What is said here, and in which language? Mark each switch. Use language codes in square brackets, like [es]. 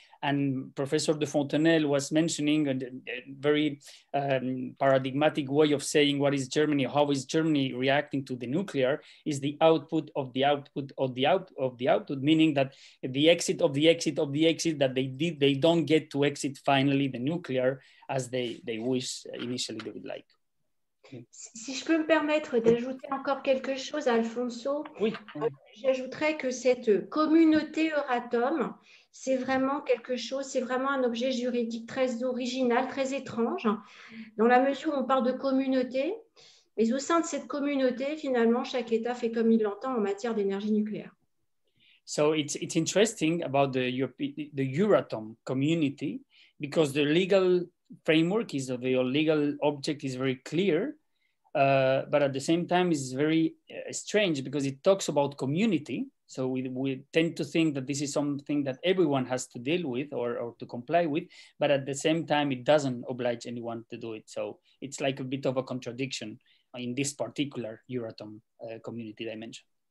[en] And Professor de Fontenelle was mentioning a very paradigmatic way of saying what is Germany, how is Germany reacting to the nuclear, is the output of the output of the output, meaning that the exit of the exit of the exit that they did, they don't get to exit finally the nuclear as they wish initially they would like. [fr] Si je peux me permettre d'ajouter encore quelque chose, Alfonso, oui. J'ajouterais que cette communauté Euratom, c'est vraiment quelque chose, c'est vraiment un objet juridique très original, très étrange, dans la mesure où on parle de communauté, mais au sein de cette communauté, finalement, chaque État fait comme il l'entend en matière d'énergie nucléaire. [en] So it's interesting about the Euratom community, because the legal framework is of your legal object is very clear, but at the same time it's very strange because it talks about community. So we tend to think that this is something that everyone has to deal with or to comply with, but at the same time it doesn't oblige anyone to do it. So it's like a bit of a contradiction in this particular Euratom community dimension.